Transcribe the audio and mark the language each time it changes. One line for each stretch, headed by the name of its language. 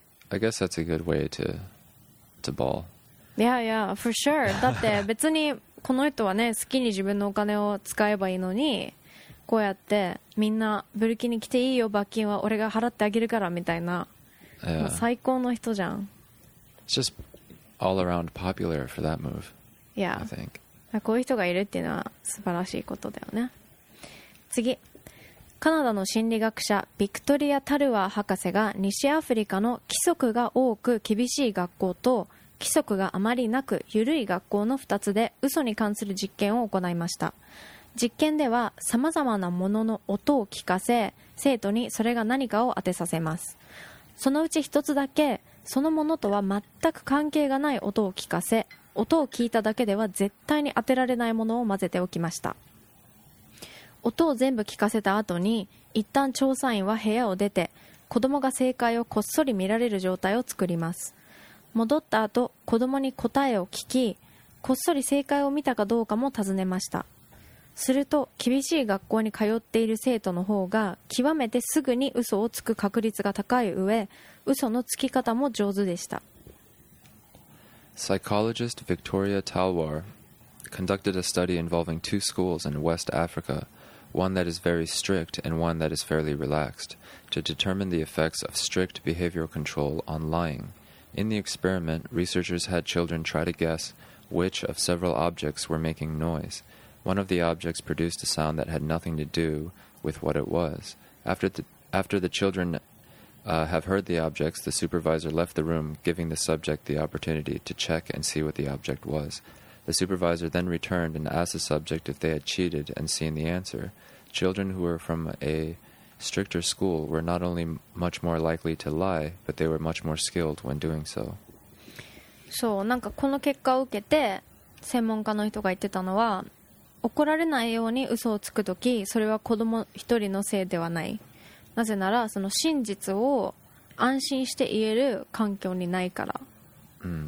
English: I guess that's a good way to ball. Yeah, yeah, for sure.
Japanese: だって別にこの人はね、好きに自分のお金を使えばいいのに、こうやってみんなブルキに来ていいよ、罰金は俺が払ってあげるからみたいな。
English: Yeah.
Japanese: 最高の人じゃん。
English: It's just all around popular for that move. Yeah. I think.
Japanese: こういう人がいるっていうのは素晴らしいことだよね。次、カナダの心理学者ビクトリア・タルワー博士が西アフリカの規則が多く厳しい学校と規則があまりなく緩い学校の2つで嘘に関する実験を行いました。実験では様々なものの音を聞かせ、生徒にそれが何かを当てさせます。そのうち1つだけそのものとは全く関係がない音を聞かせ、音を聞いただけでは絶対に当てられないものを混ぜておきました。音を全部聞かせた後に一旦調査員は部屋を出て、子供が正解をこっそり見られる状態を作ります。戻った後、子供に答えを聞き、こっそり正解を見たかどうかも尋ねました。すると厳しい学校に通っている生徒の方が極めてすぐに嘘をつく確率が高い上、嘘のつき方も上手でした。
English: Psychologist Victoria Talwar conducted a study involving two schools in West Africa, one that is very strict and one that is fairly relaxed, to determine the effects of strict behavioral control on lying. In the experiment, researchers had children try to guess which of several objects were making noise. One of the objects produced a sound that had nothing to do with what it was. After the childrenhave heard the objects, the supervisor left the room, giving the subject the opportunity to check and see what the object was. The supervisor then returned and asked the subject if they had cheated and seen the answer. Children who were from a stricter school were not only much more likely to lie, but they were much more skilled when doing so.
Japanese: そう、なんかこの結果を受けて専門家の人が言ってたのは、怒られないように嘘をつくとき、それは子供一人のせいではない。なぜならその真実を安心して言える環境にないから、うん、